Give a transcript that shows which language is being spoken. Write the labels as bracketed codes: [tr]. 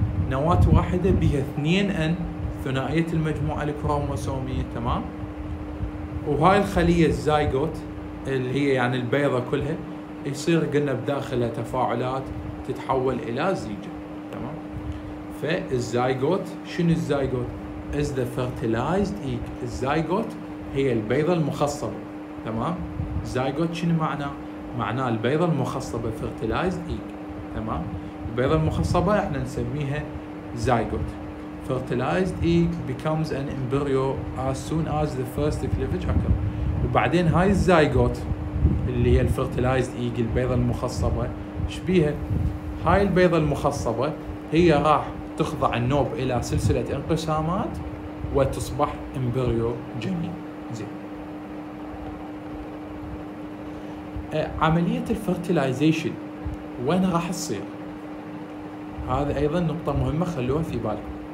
[ar] نواة واحدة بها 2N ثنائية المجموعة الكروموسومية تمام، وهاي الخلية الزايغوت اللي هي يعني البيضة كلها يصير قلنا بداخلها تفاعلات تتحول إلى زيجة تمام. فالزايغوت شنو الزايغوت؟ [en] is the fertilized egg. [ar] الزايغوت هي البيضة المخصبة تمام. زايغوت شنو معناه؟ معناه البيضة المخصبة [en] fertilized egg [ar] تمام. البيضة المخصبة احنا نسميها زايغوت. [en] Fertilized egg becomes an embryo as soon as the first cleavage occurs. [ar] وبعدين هاي الزايغوت اللي هي الفيرتلايزد ايج البيضة المخصبة شبيها، هاي البيضة المخصبة هي راح تخضع النوب إلى سلسلة انقسامات وتصبح امبريو جنين. زين، عملية الفيرتلايزيشن وين راح تصير؟ هذا أيضا نقطة مهمة خلوها في بالكم.